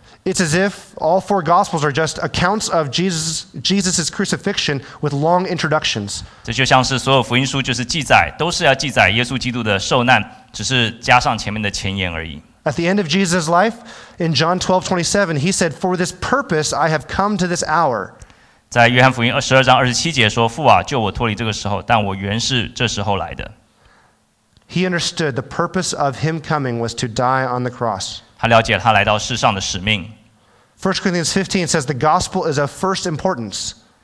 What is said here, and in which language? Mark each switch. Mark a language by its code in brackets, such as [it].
[en] It's as if all four Gospels are just accounts of Jesus' crucifixion with long introductions. [zh] 这就像是所有福音书就是记载，都是要记载耶稣基督的受难，只是加上前面的前言而已。 [en] At the end of Jesus' life, in John 12:27, he said, "For this purpose I have come to this hour." [zh] 在约翰福音十二章二十七节说：“父啊，救我脱离这个时候，但我原是这时候来的。” [en] He understood the purpose of him coming was to die on the cross. [zh] 他了解他来到世上的使命。 [en] First Corinthians 15 says the gospel is of first importance.